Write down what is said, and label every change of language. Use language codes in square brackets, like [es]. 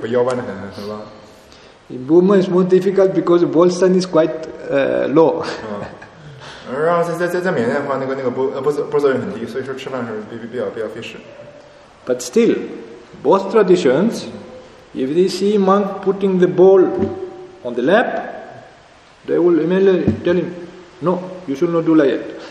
[zh] 而在泰国的话，因为就避免就是你吃饭的时候把那个腰弯的太过，所以他们会把那个脖子做到非常高，他们会把那个脖子做到非常高，这样的话你吃饭的时候就不用把腰弯的很弯。In [en] Burma is more difficult because the bowl stand is quite low. [zh] 然后在缅甸的话，那个脖子也很低，所以说吃饭的时候比较费事。But [en] still, both traditions, if they see monk putting the bowl on the lap, they will immediately tell him, "No, you should not do like it."